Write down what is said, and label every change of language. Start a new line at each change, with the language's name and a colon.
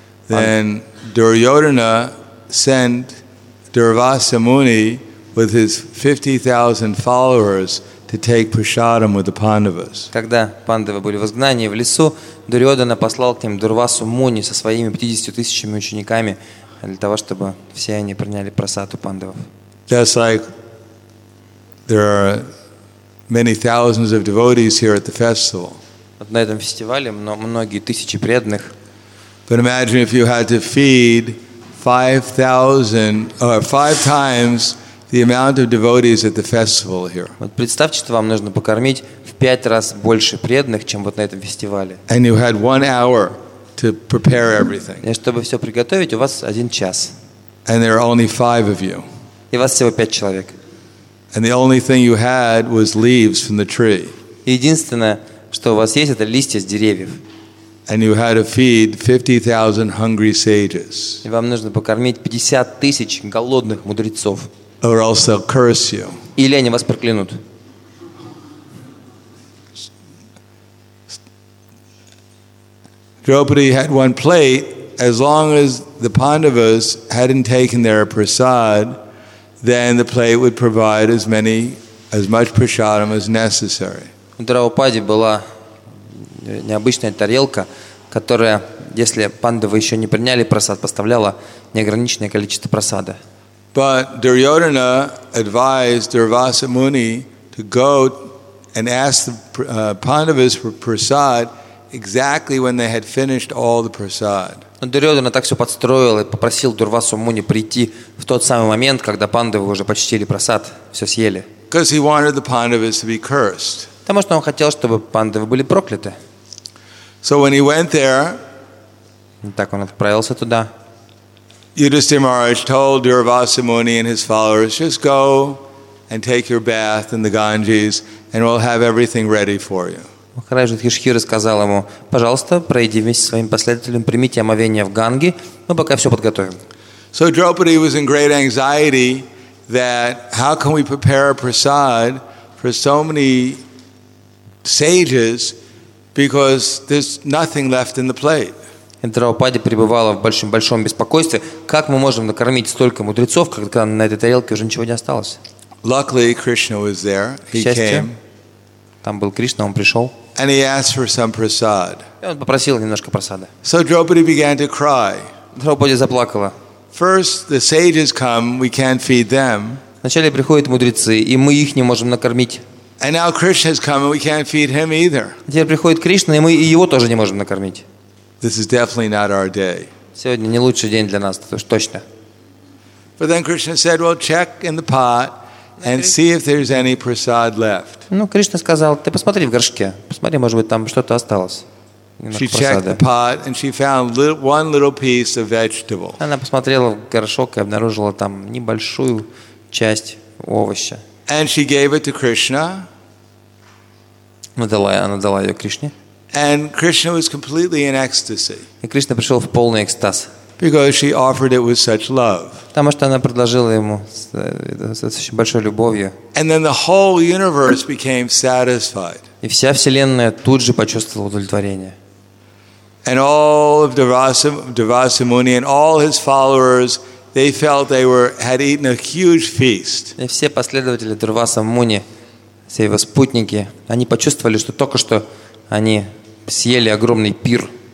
English: Then Duryodhana sent Durvasa Muni with his 50,000 followers to take prasadam with the Pandavas.
Russian: Когда Пандавы были в изгнании в лесу, Дурьодхана послал к ним Дурвасу Муни со своими 50,000 учениками для того, чтобы все они приняли прасад у Пандавов.
English: Just like there are many thousands of devotees here at the festival.
Russian: Вот на этом фестивале многие тысячи преданных.
English: But imagine if you had to feed 5,000 or five times the amount of devotees at the festival here.
Russian: Вот представьте, что вам нужно покормить в 5 раз больше преданных, чем вот на этом фестивале.
English: And you had 1 hour to prepare everything.
Russian: И чтобы все приготовить, у вас 1 час.
English: And there are only 5 of you.
Russian: И вас всего 5 человек.
English: And the only thing you had was leaves from the tree.
Russian: Единственное, что у вас есть, это листья с деревьев.
English: And you had to feed 50,000 hungry sages.
Russian: И вам нужно покормить 50,000 голодных мудрецов.
English: Or else they'll curse you.
Russian: Или они вас проклянут.
English: Draupadi had one plate. As long as the Pandavas hadn't taken their prasad, then the plate would provide as much prasadam as necessary.
Russian: У Драупади была необычная тарелка, которая, если Пандавы еще не приняли прасад, поставляла неограниченное количество прасада.
English: But Duryodhana advised Durvasa Muni to go and ask the Pandavas for prasad exactly when they had finished all the prasad.
Russian: Но Дурьодхана так все подстроил и попросил Дурвасу Муни прийти в тот самый момент, когда Пандавы уже почтили прасад, все съели.
English: Because he wanted the Pandavas to be cursed.
Russian: Потому что он хотел, чтобы Пандавы были прокляты.
English: So when he went there,
Russian: так он отправился туда.
English: Yudhishthira Maharaj told Durvasa Muni and his followers, just go and take your bath in the Ganges, and we'll have everything ready for you.
Russian: Махарадж Юдхиштхира сказал ему: «Пожалуйста, пройди вместе со своим последователем, примите омовение в Ганге, мы пока все подготовим».
English: So Draupadi was in great anxiety that how can we prepare a prasad for so many sages because there's nothing left in the plate.
Russian: Драупади пребывала в большом беспокойстве, как мы можем накормить столько мудрецов, когда на этой тарелке уже ничего не осталось.
English: Luckily, Krishna was there. He came.
Russian: Там был Кришна, он пришел.
English: And he asked for some prasad.
Russian: И он попросил немножко прасады.
English: So Draupadi began to cry.
Russian: Драупади заплакала.
English: First, the sages come. We can't feed them.
Russian: Вначале приходят мудрецы, и мы их не можем накормить.
English: And now Krishna has come, and we can't feed him either.
Russian: Теперь приходит Кришна, и мы его тоже не можем накормить.
English: This is definitely not our day.
Russian: Сегодня не лучший день для нас, это уж точно.
English: But then Krishna said, "Well, check in the pot and see if there's any prasad left."
Russian: Ну, Кришна сказал: "Ты посмотри в горшке, посмотри, может быть, там что-то осталось."
English: She checked the pot and she found one little piece of vegetable.
Russian: Она посмотрела в горшок и обнаружила там небольшую часть овоща.
English: And she gave it to Krishna.
Russian: Она дала ее Кришне.
English: And Krishna was completely in ecstasy.
Russian: И Кришна пришел в полный экстаз.
English: Because she offered it with such love.
Russian: Потому что она предложила ему с очень большой любовью.
English: And then the whole universe became satisfied.
Russian: И вся вселенная тут же почувствовала удовлетворение.
English: And all of Devasamuni and all his followers, they felt they had eaten a huge feast.
Russian: И все последователи Дурвасамуни, все его спутники, они почувствовали, что только что они съели огромный пир.